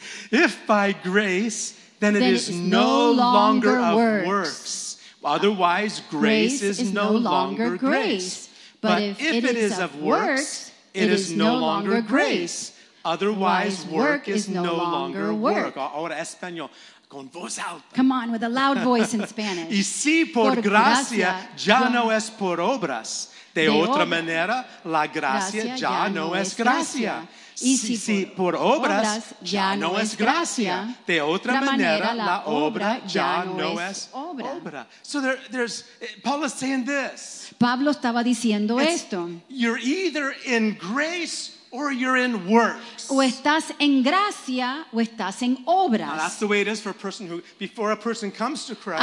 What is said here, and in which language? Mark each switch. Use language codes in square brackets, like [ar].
[en] If by grace... Then it is no longer of works. Otherwise, grace is no longer grace. But if it is of works, it is no longer grace. Otherwise, work is no longer work. [es] Ahora español. Con voz alta. [en] Come on, with a loud voice in Spanish. [es] Y si por gracia ya no es por obras. De otra manera, la gracia ya no es gracia. Si por obras ya no es gracia, de otra manera la obra ya no es obra. [en] So there's Paul is saying this. [es] Pablo estaba diciendo esto. [en] You're either in grace or you're in works. [es] O estás en gracia o estás en obras. [en] Now that's the way it is for a person who before a person comes to Christ.